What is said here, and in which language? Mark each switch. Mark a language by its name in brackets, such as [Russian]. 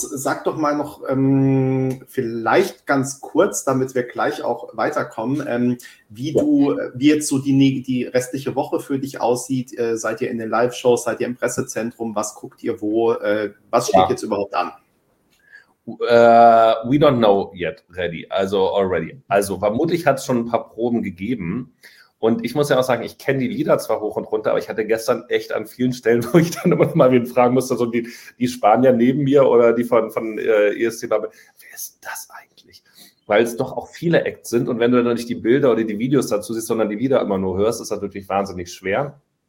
[German] Sag doch mal noch vielleicht ganz kurz, damit wir gleich auch weiterkommen, wie jetzt so die restliche Woche für dich aussieht. Seid ihr in den Live-Shows? Seid ihr im Pressezentrum? Was guckt ihr wo? Was steht jetzt überhaupt an? [English] We don't know yet, ready, also already. [German] Also vermutlich hat es schon ein paar Proben gegeben und ich muss ja auch sagen, ich kenne die Lieder zwar hoch und runter, aber ich hatte gestern echt an vielen Stellen, wo ich dann immer mal wen fragen musste, so die Spanier neben mir oder die von ESC Bubble, wer ist das eigentlich? Weil es doch auch viele Acts sind und wenn du dann nicht die Bilder oder die Videos dazu siehst, sondern die Lieder immer nur hörst, ist das natürlich wahnsinnig schwer.